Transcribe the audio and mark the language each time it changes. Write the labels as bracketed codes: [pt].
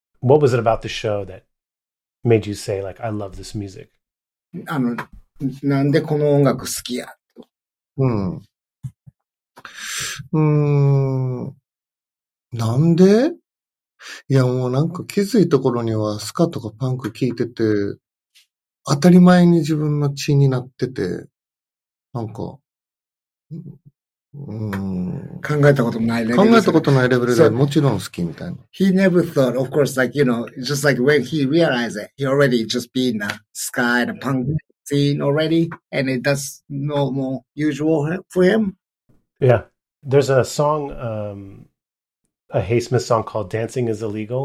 [en] What was it about the show that made you say, like, I love this music? [ja] なんでこの音楽好きや? なんで? いや、もうなんか気づいた頃にはスカとかパンク聞いてて、当たり前に自分の血になってて、なんか、考えたことないレベルで、もちろん好きみたいな。 [en] He never thought, of course, like, you know, just like when he realized it, he already just been in a ska and a punk scene already, and it does no more usual for him. Yeah. There's a song, a Haysmith song called Dancing is Illegal.